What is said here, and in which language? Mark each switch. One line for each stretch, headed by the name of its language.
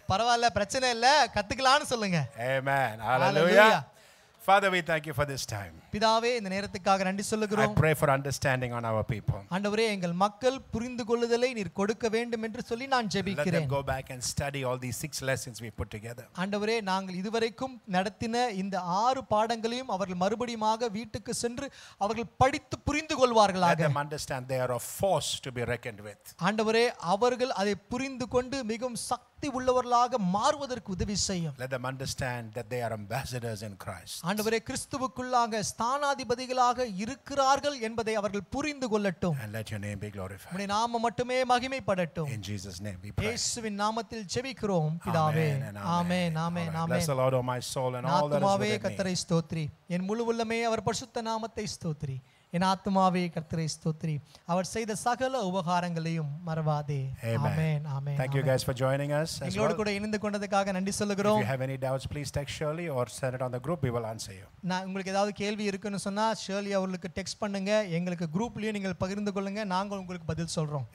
Tamil: பரவாயில்ல, பிரச்சனை இல்ல, கத்துக்கலாம்னு சொல்லுங்க.
English: Amen. Hallelujah. Father, we thank you for this time.
Tamil: பிதாவே, இந்த நேரத்துக்காக நன்றி சொல்கிறோம்.
English: I pray for understanding on our people.
Tamil: ஆண்டவரே, எங்கள் மக்கள் புரிந்துகொள்ளுதலை நீர் கொடுக்க வேண்டும் என்று சொல்லி நான் ஜெபிக்கிறேன்.
English: Let them go back and study all these 6 lessons we put together.
Tamil: ஆண்டவரே, நாங்கள் இதுவரைக்கும் நடத்தின இந்த 6 பாடங்களையும் அவர்கள் மறுபடியும் வீட்டுக்கு சென்று அவர்கள் படித்து புரிந்துகொள்வார்களாக.
English: Let them understand they are a force to be reckoned with.
Tamil: ஆண்டவரே, அவர்கள் அதை புரிந்துகொண்டு மிகவும் சக்தி உள்ளவர்களாக மாறுவதற்கு உதவி செய்யும்.
English: Let them understand that they are ambassadors in Christ.
Tamil: ஆண்டவரே, கிறிஸ்துவுக்குள்ளாக ஸ்தானாதிபதிகளாக இருக்கிறார்கள் என்பதை அவர்கள் புரிந்து கொள்ளட்டும்.
English: And let your name be glorified.
Tamil: உம்முடைய நாமம் மட்டுமே மகிமைப்படட்டும்.
English: In Jesus name we pray.
Tamil: இயேசுவின் நாமத்தில் ஜெபிக்கிறோம் பிதாவே. ஆமென், ஆமென், ஆமென்.
English: Bless the Lord, O my soul, and all that is within me.
Tamil: கர்த்தரை ஸ்தோத்ரி. என் முழு உள்ளமே அவர் பரிசுத்த நாமத்தை ஸ்தோத்ரி. என் ஆத்மாவே கர்த்தரை ஸ்தோத்ரி. அவர் செய்த சகல உபகாரங்களையும் மறவாதே. ஆமென், ஆமென்.
English: Thank you guys for joining us.
Tamil: எங்களோடு கூட இணைந்து கொண்டதற்காக நன்றி சொல்கிறோம்.
English: If you have any doubts, please text Shirley or send it on the group. We will answer you.
Tamil: நான் உங்களுக்கு ஏதாவது கேள்வி இருக்குன்னு சொன்னா ஷேர்லி அவர்களுக்கு டெக்ஸ்ட் பண்ணுங்க. எங்களுக்கு குரூப்லயும் நீங்கள் பகிர்ந்து கொள்ளுங்க. நாங்கள் உங்களுக்கு பதில் சொல்றோம்.